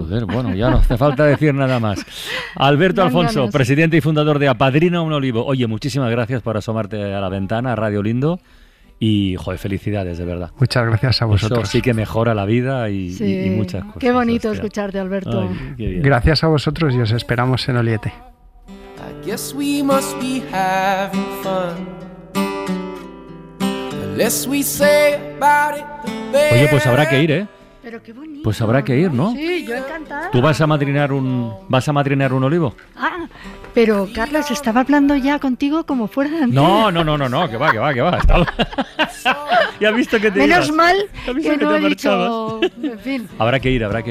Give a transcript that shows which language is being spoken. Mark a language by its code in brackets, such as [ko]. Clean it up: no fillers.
[es] Joder, bueno, ya no hace falta decir nada más. Alberto Alfonso, presidente y fundador de Apadrina un Olivo. Oye, muchísimas gracias por asomarte a la ventana, a Radio Lindo. Y, joder, felicidades, de verdad. Muchas gracias a vosotros. Eso sí que mejora la vida y, sí, y muchas cosas. Qué bonito, hostia, escucharte, Alberto. Ay, gracias a vosotros y os esperamos en Oliete. [en] I guess we must be having fun. Less we say about it, the better. [es] Oye, pues habrá que ir, ¿eh? Pero qué bonito. Pues habrá que ir, ¿no? Sí, yo encantada. ¿Tú vas a madrinar un olivo? Ah, pero Carlos, estaba hablando ya contigo como fuera de antena. No, que va. Está... ya has visto que te menos ibas. Mal que no he dicho, en fin. Habrá que ir, ¿eh?